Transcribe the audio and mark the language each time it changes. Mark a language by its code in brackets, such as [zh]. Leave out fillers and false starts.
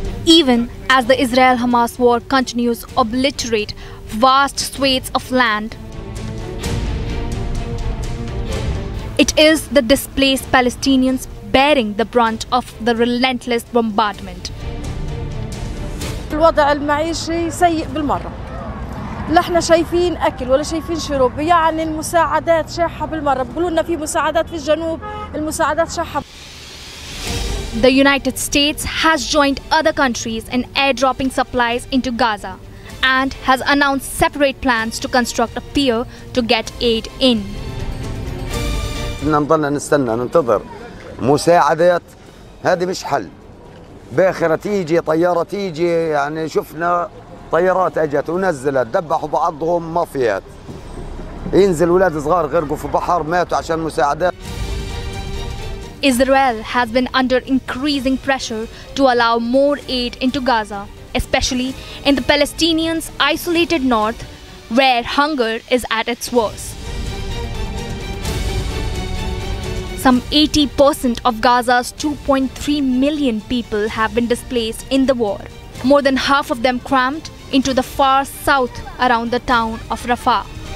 [en] Even as the Israel-Hamas war continues to obliterate vast swathes of land, it is the displaced Palestinians bearing the brunt of the relentless bombardment. [ar] الوضع المعيشي سيء بالمرة. لا احنا شايفين اكل ولا شايفين شرب، يعني المساعدات شاحه بالمره، بيقولوا لنا في مساعدات في الجنوب، المساعدات شاحه. [en] The United States has joined other countries in airdropping supplies into Gaza and has announced separate plans to construct a pier to get aid in. [ar] بدنا نضلنا نستنى ننتظر مساعدات، هذه مش حل. باخره تيجي طياره تيجي، يعني شفنا طيارات اجت ونزلت ذبحوا بعضهم مافيات ينزل اولاد صغار غرقوا في بحر ماتوا عشان مساعدات. [en] Israel has been under increasing pressure to allow more aid into Gaza, especially in the Palestinians isolated north where hunger is at its worst. Some 80% of Gaza's 2.3 million people have been displaced in the war, more than half of them cramped into the far south around the town of Rafah.